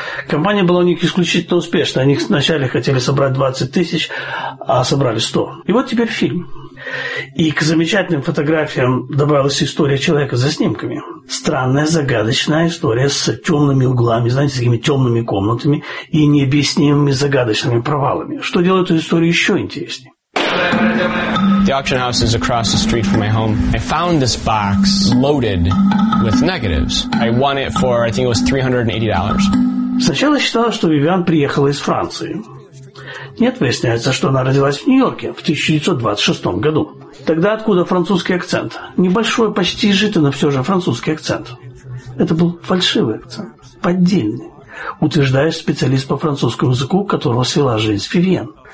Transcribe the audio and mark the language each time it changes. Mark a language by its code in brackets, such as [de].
[ru] Компания была у них исключительно успешной. Они вначале хотели собрать 20 тысяч, а собрали 100. И вот теперь фильм. И к замечательным фотографиям добавилась история человека за снимками. Странная, загадочная история с темными углами, знаете, с такими темными комнатами и необъяснимыми загадочными провалами. Что делает эту историю еще интереснее? [en] The auction house is across the street from my home. I found this box loaded with negatives. I won it for, I think it was $380. [ru] Сначала считалось, что Вивиан приехала из Франции. Нет, выясняется, что она родилась в Нью-Йорке в 1926 году. Тогда откуда французский акцент? Небольшой, почти изжитый, но все же французский акцент. Это был фальшивый акцент, поддельный, утверждает специалист по французскому языку, которого свела жизнь с Вивиан.